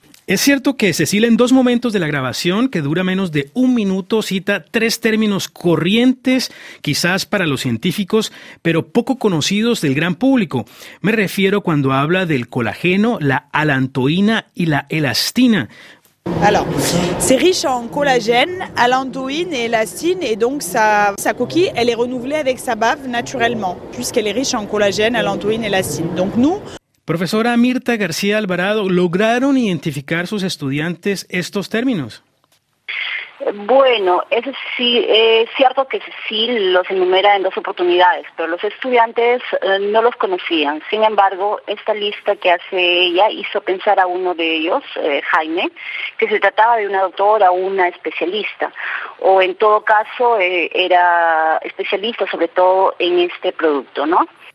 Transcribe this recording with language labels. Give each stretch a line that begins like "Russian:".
Spanish: Es cierto que Cecil en dos momentos de la grabación, que dura menos de un minuto, cita tres términos corrientes, quizás para los científicos, pero poco conocidos del gran público. Me refiero cuando habla del colágeno, la alantoína y la elastina.
French: Alors, c'est riche en collagène, alantoïne et élastine, et donc sa coquille, elle est renouvelée avec sa bave naturellement, puisqu'elle est riche en collagène, alantoïne et élastine. Donc nous.
Spanish: Profesora Mirta García Alvarado, ¿lograron identificar sus estudiantes estos términos? Bueno, es sí, cierto que sí los enumera en dos oportunidades, pero los estudiantes no los conocían. Sin embargo, esta lista que hace ella hizo pensar a uno de ellos, Jaime, que se trataba de una doctora o una especialista, o en todo caso era especialista sobre todo en este producto, ¿no?